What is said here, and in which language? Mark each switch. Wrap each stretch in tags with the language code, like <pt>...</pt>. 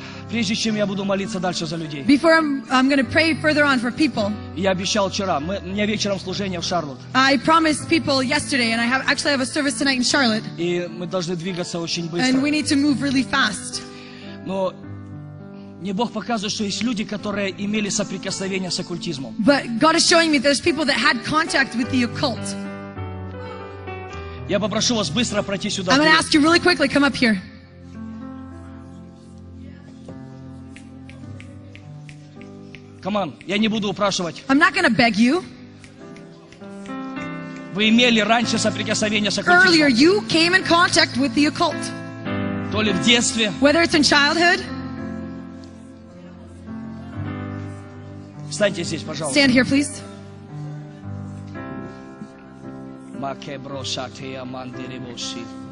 <ru>Прежде чем я буду молиться дальше за людей.</ru> <en>Before I'm going to pray further on for people.</en> <ru>Я обещал вчера. У меня вечером служение в Шарлотт.</ru> <en>I promised people yesterday, and I have a service tonight in Charlotte.</en> <ru>И мы должны двигаться очень быстро.</ru> <en>And we need to move really fast.</en> <ru>Но мне Бог показывает, что есть люди, которые имели соприкосновение с оккультизмом.</ru> <en>But God is showing me there's people that had contact with the occult.</en> <ru>Я попрошу вас быстро пройти сюда.</ru> <en>I'm going to ask you really quickly, come up here. Come on,</en> <ru>я не буду упрашивать.</ru> <en>I'm not going to beg you.</en> <ru>Вы имели раньше соприкосновение с оккультизмом?</ru> <en>Earlier you came in contact with the occult.</en> <ru>То ли в детстве?</ru> <en>Whether it's in childhood.</en> <ru>Встаньте здесь, пожалуйста.</ru> <en>Stand here, please. Макеброшате амандеревоши.</en>